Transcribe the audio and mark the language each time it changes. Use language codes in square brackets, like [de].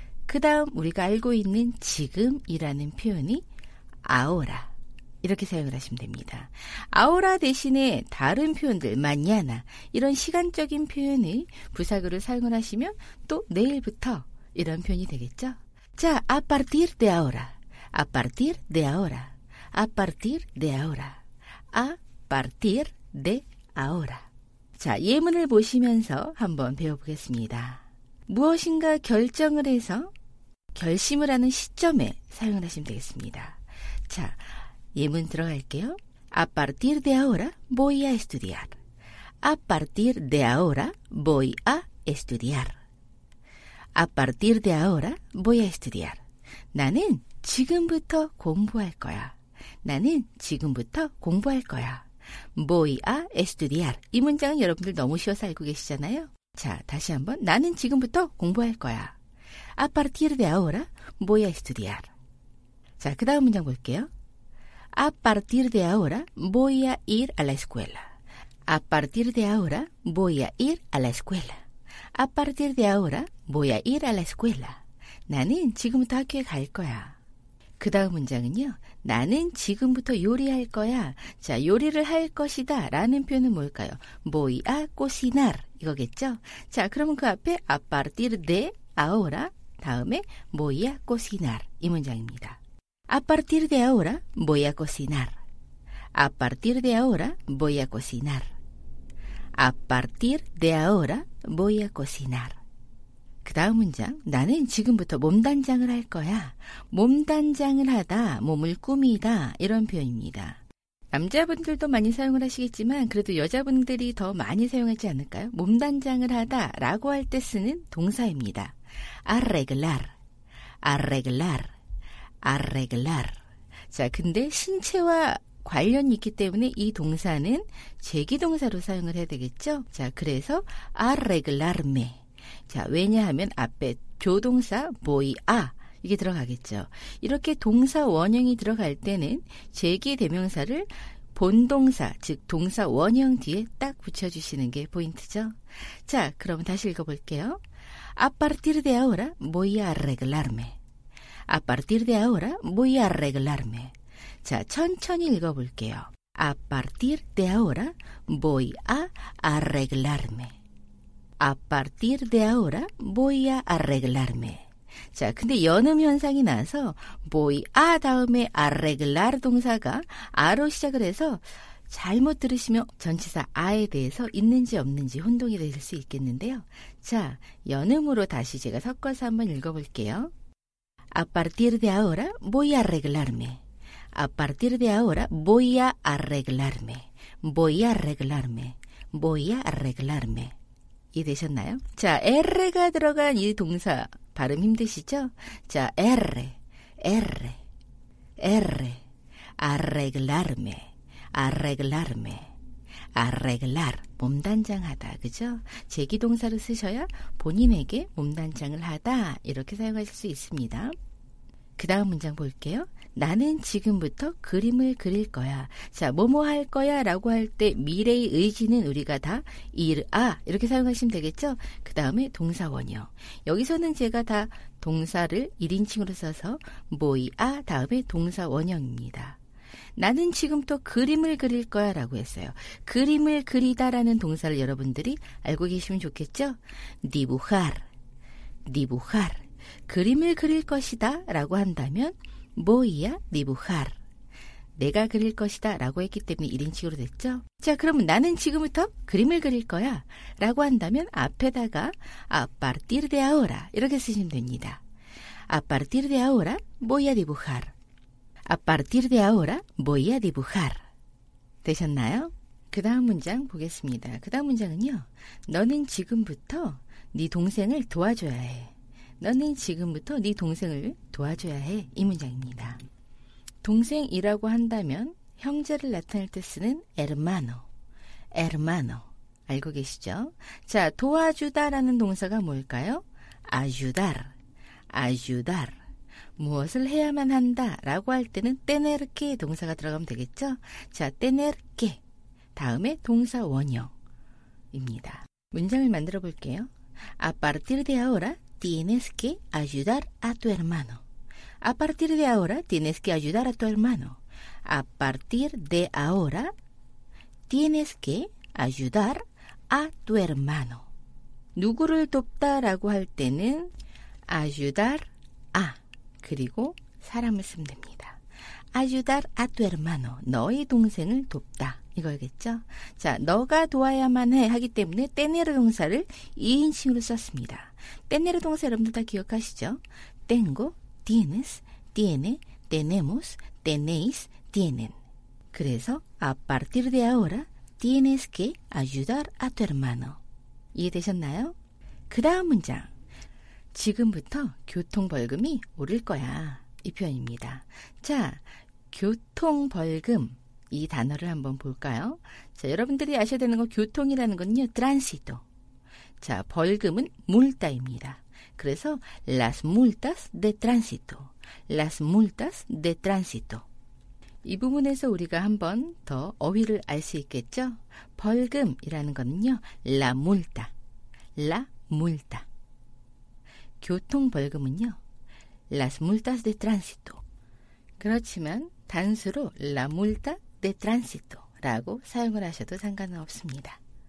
[ko] 그 다음 우리가 알고 있는 지금이라는 표현이 ahora 이렇게 사용을 하시면 됩니다. ahora 대신에 다른 표현들, mañana 이런 시간적인 표현을 부사구를 사용을 하시면 또 내일부터 이런 표현이 되겠죠? [es] 자, a partir de ahora, a partir de ahora, a partir de ahora, a partir de ahora. [ko] 자, 예문을 보시면서 한번 배워보겠습니다. 무엇인가 결정을 해서 결심을 하는 시점에 사용을 하시면 되겠습니다. 자, 예문 들어갈게요. [es] A partir de ahora voy a estudiar. A partir de ahora voy a estudiar. A partir de ahora voy a estudiar. [ko] 나는 지금부터 공부할 거야. 나는 지금부터 공부할 거야. [es] Voy a estudiar. [ko] 이 문장은 여러분들 너무 쉬워서 알고 계시잖아요. 자, 다시 한번. 나는 지금부터 공부할 거야. [es] A partir de ahora voy a estudiar. [ko] 자, 그 다음 문장 볼게요. [es] A partir de ahora voy a ir a la escuela. A partir de ahora voy a ir a la escuela. A partir de ahora voy a ir a la escuela. [ko] 나는 지금부터 학교에 갈 거야. 그 다음 문장은요. 나는 지금부터 요리할 거야. 자, 요리를 할 것이다 라는 표현은 뭘까요? [es] Voy a cocinar 이거겠죠? [ko] 자, 그러면 그 앞에 [es] a partir de ahora [ko] 다음에 [es] voy a cocinar [ko] 이 문장입니다. [es] A partir de ahora voy a cocinar. A partir de ahora voy a cocinar. A partir de ahora voy a cocinar. [ko] 그 다음 문장, 나는 지금부터 몸단장을 할 거야. 몸단장을 하다, 몸을 꾸미다 이런 표현입니다. 남자분들도 많이 사용을 하시겠지만 그래도 여자분들이 더 많이 사용하지 않을까요? 몸단장을 하다 라고 할 때 쓰는 동사입니다. [es] Arreglar, arreglar. arreglar. [ko] 자, 근데 신체와 관련이 있기 때문에 이 동사는 제기동사로 사용을 해야 되겠죠? 자, 그래서 arreglarme. 자, 왜냐하면 앞에 조동사 voy a 이게 들어가겠죠. 이렇게 동사 원형이 들어갈 때는 제기대명사를 본동사, 즉 동사 원형 뒤에 딱 붙여주시는 게 포인트죠. 자, 그럼 다시 읽어볼게요. [es] A partir de ahora voy a arreglarme. A partir de ahora voy a arreglarme. [ko] 자, 천천히 읽어볼게요. [es] A partir de ahora voy a arreglarme. A partir de ahora voy a arreglarme. [ko] 자, 근데 연음 현상이 나서 voy a 다음에 arreglar 동사가 a로 시작을 해서 잘못 들으시면 전치사 아에 대해서 있는지 없는지 혼동이 될 수 있겠는데요. 자, 연음으로 다시 제가 섞어서 한번 읽어볼게요. [es] A partir de ahora voy a arreglarme. A partir de ahora voy a arreglarme. Voy a arreglarme. Voy a arreglarme. 이해되셨나요? [ko] 자, R가 들어간 이 동사 발음 힘드시죠? 자, R, R, R. [es] Arreglarme, arreglarme. [ko] Arreglar, 몸단장하다, 그죠? 제기동사를 쓰셔야 본인에게 몸단장을 하다 이렇게 사용하실 수 있습니다. 그 다음 문장 볼게요. 나는 지금부터 그림을 그릴 거야. 자, 뭐뭐 할 거야 라고 할 때 미래의 의지는 우리가 다 이르아 이렇게 사용하시면 되겠죠. 그 다음에 동사원이요. 여기서는 제가 다 동사를 1인칭으로 써서 모이아 다음에 동사원형입니다. 나는 지금부터 그림을 그릴 거야 라고 했어요. 그림을 그리다 라는 동사를 여러분들이 알고 계시면 좋겠죠. 디부하르, 디부하르. 그림을 그릴 것이다 라고 한다면 모이아 디부하르. 내가 그릴 것이다 라고 했기 때문에 1인칭으로 됐죠. 자, 그러면 나는 지금부터 그림을 그릴 거야 라고 한다면 앞에다가 [es] a partir de ahora [ko] 이렇게 쓰시면 됩니다. [es] A partir de ahora voy a dibujar. A partir de ahora voy a dibujar. [ko] 되셨나요? 그 다음 문장 보겠습니다. 그 다음 문장은요. 너는 지금부터 네 동생을 도와줘야 해. 너는 지금부터 네 동생을 도와줘야 해. 이 문장입니다. 동생이라고 한다면 형제를 나타낼 때 쓰는 hermano. hermano. 알고 계시죠? 자, 도와주다라는 동사가 뭘까요? [es] ayudar. ayudar. [ko] 무엇을 해야만 한다 라고 할 때는 [es] tener que [ko] 동사가 들어가면 되겠죠? 자, [es] tener que [ko] 다음에 동사 원형입니다. 문장을 만들어 볼게요. [es] A partir de ahora tienes que ayudar a tu hermano. A partir de ahora tienes que ayudar a tu hermano. A partir de ahora tienes que ayudar a tu hermano. [ko] 누구를 돕다 라고 할 때는 ayudar a 그리고 사람을 쓰면 됩니다. [es] Ayudar a tu hermano. [ko] 너의 동생을 돕다. 이거겠죠? 자, 너가 도와야만 해 하기 때문에 tener 동사를 2인칭으로 썼습니다. tener 동사 여러분들 다 기억하시죠? [es] Tengo, tienes, tiene, tenemos, tenéis, tienen. 그래서 a partir de ahora tienes que ayudar a tu hermano. [ko] 이해되셨나요? 그 다음 문장. 지금부터 교통벌금이 오를 거야. 이 표현입니다. 자, 교통벌금 이 단어를 한번 볼까요? 자, 여러분들이 아셔야 되는 건 교통이라는 건요. 트랜시토. 자, 벌금은 multa입니다. [es] 그래서 las multas de tránsito. las multas de tránsito. [ko] 이 부분에서 우리가 한번 더 어휘를 알 수 있겠죠? 벌금이라는 거는요. [es] la multa. la multa. 교통벌금은요. las multas de tránsito. [ko] 그렇지만 단수로 la multa de tránsito 라고 사용을 하셔도 상관은 없습니다.